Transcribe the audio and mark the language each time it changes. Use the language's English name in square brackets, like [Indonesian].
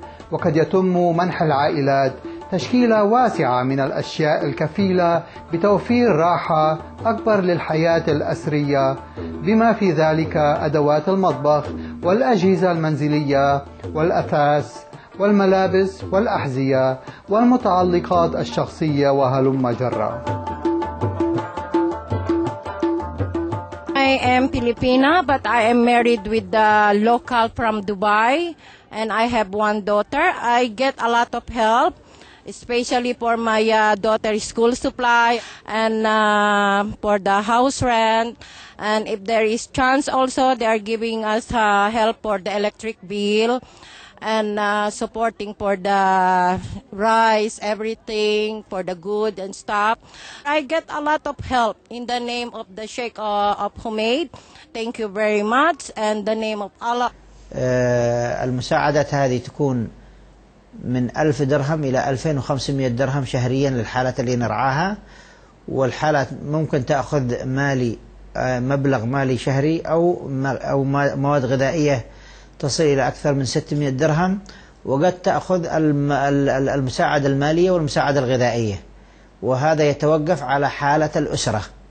[Arabic] وقد يتم منح العائلات تشكيلة واسعة من الأشياء الكفيلة بتوفير راحة أكبر للحياة الأسرية بما في ذلك أدوات المطبخ والأجهزة المنزلية والأثاث والملابس والأحذية والمتعلقات الشخصية وهلم جرا [English] I am Filipina but I am married with the local from Dubai and I have one daughter I get a lot of help especially for my daughter's school supply and for the house rent. And if there is chance also, they are giving us help for the electric bill and supporting for the rice, everything, for the good and stuff. I get a lot of help in the name of the Sheikh of Humaid. Thank you very much. And the name of Allah. [Arabic] المساعدة هذه تكون من 1,000 درهم إلى 2,500 درهم شهريا للحالة اللي نرعاها، والحالة ممكن تأخذ مالي مبلغ مالي شهري أو مواد غذائية تصل إلى أكثر من 600 درهم، وقد تأخذ المساعدة المالية والمساعدة الغذائية، وهذا يتوقف على حالة الأسرة.